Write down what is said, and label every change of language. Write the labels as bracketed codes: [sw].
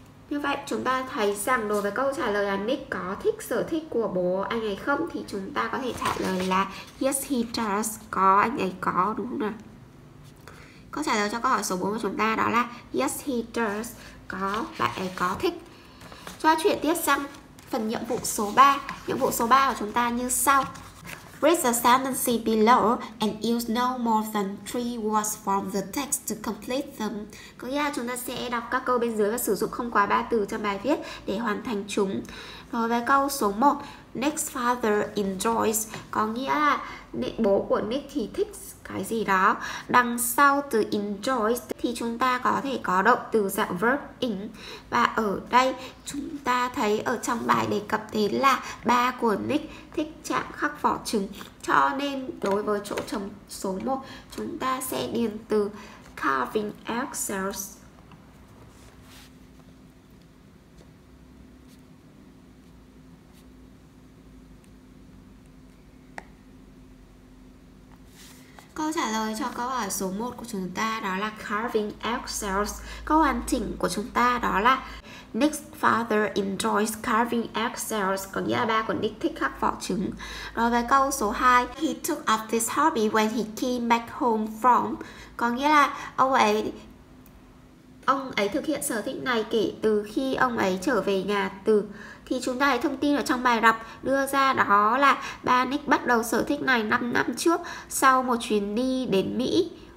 [vi] Như vậy, chúng ta thấy rằng đối với câu trả lời là Nick có thích sở thích của bố anh ấy không thì chúng ta có thể trả lời là [en] Yes, he does. [vi] Có, anh ấy có, đúng không nào? Câu trả lời cho câu hỏi số 4 của chúng ta đó là [en] Yes, he does. [vi] Có, bạn ấy có thích. Cho chuyển tiếp sang phần nhiệm vụ số 3. Nhiệm vụ số 3 của chúng ta như sau. [en] Read the sentence below and use no more than 3 words from the text to complete them. [vi] Có nghĩa là chúng ta sẽ đọc các câu bên dưới và sử dụng không quá 3 từ trong bài viết để hoàn thành chúng. Đối với câu số 1, [en] Nick's father enjoys, [vi] có nghĩa là bố của Nick thì thích cái gì đó. Đằng sau từ enjoys thì chúng ta có thể có động từ dạng verb ing. Và ở đây chúng ta thấy ở trong bài đề cập đến là ba của Nick thích chạm khắc vỏ trứng. Cho nên đối với chỗ trống số 1 chúng ta sẽ điền từ [en] carving eggshells. [vi] Câu trả lời cho câu hỏi số 1 của chúng ta đó là [en] carving eggshells. [vi] Câu hoàn chỉnh của chúng ta đó là [en] Nick's father enjoys carving eggshells. [vi] Có nghĩa là ba của Nick thích khắc vỏ trứng. Rồi về câu số 2, [en] he took up this hobby when he came back home from. [vi] Có nghĩa là ông ấy thực hiện sở thích này kể từ khi ông ấy trở về nhà từ. Thì chúng ta thấy thông tin ở trong bài đọc đưa ra đó là ba Nick bắt đầu sở thích này 5 năm trước sau một chuyến đi đến Mỹ.